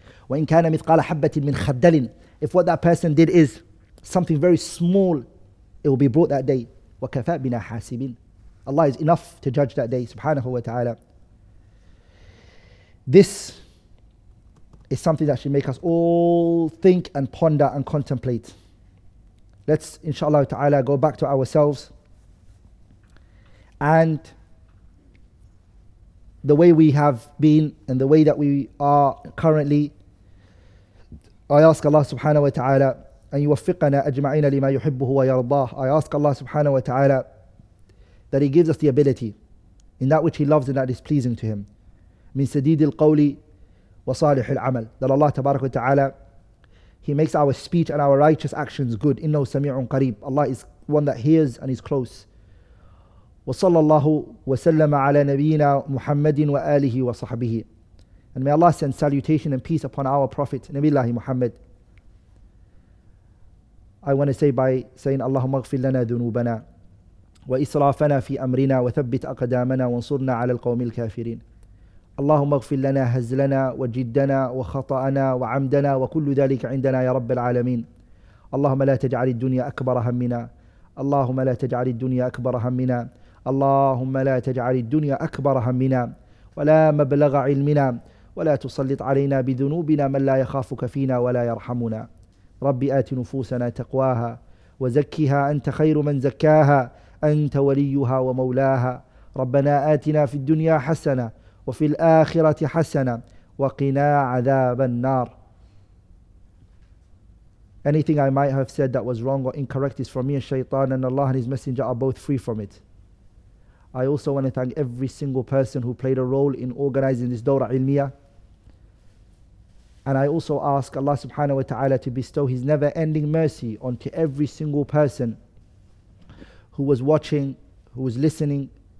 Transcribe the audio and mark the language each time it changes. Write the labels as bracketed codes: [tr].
[ar] وإن كان مثقال حبة من خردل. [en] If what that person did is something very small, it will be brought that day. وكفى بنا حاسبين. Allah is enough to judge that day, سبحانه وتعالى. This is something that should make us all think and ponder and contemplate. Let's, inshallah ta'ala, go back to ourselves and the way we have been and the way that we are currently. I ask Allah subhanahu wa ta'ala أن يوفقنا أجمعين لما يحبه ويرضاه. I ask Allah subhanahu wa ta'ala that He gives us the ability in that which He loves and that is pleasing to Him. [ar] من سديد القول وصالح العمل. [en] That Allah تبارك وتعالى, He makes our speech and our righteous actions good. [ar] إنه سميع قريب. [en] Allah is one that hears and is close. [ar] وصلى الله وسلم على نبينا محمد وآله وصحبه. [en] And may Allah send salutation and peace upon our Prophet, نبي الله محمد. [ar] I want to say by saying, اللهم اغفر لنا ذنوبنا وإسرافنا في أمرنا وثبت أقدامنا وانصرنا على القوم الكافرين. اللهم اغفر لنا هزلنا وجدنا وخطأنا وعمدنا وكل ذلك عندنا يا رب العالمين. اللهم لا تجعل الدنيا أكبر همنا. اللهم لا تجعل الدنيا أكبر همنا. اللهم لا تجعل الدنيا أكبر همنا ولا مبلغ علمنا ولا تسلط علينا بذنوبنا من لا يخافك فينا ولا يرحمنا. ربي آت نفوسنا تقواها وزكها أنت خير من زكاها أنت وليها ومولاها. ربنا آتنا في الدنيا حسنة وفي الآخرة حسنة وقنا عذاب النار. [en] Anything I might have said that was wrong or incorrect is from me and Shaytan, and Allah and His Messenger are both free from it. I also want to thank every single person who played a role in organizing this Dawrah Ilmiyyah. And I also ask Allah subhanahu wa ta'ala to bestow His never-ending mercy onto every single person who was watching, who was listening.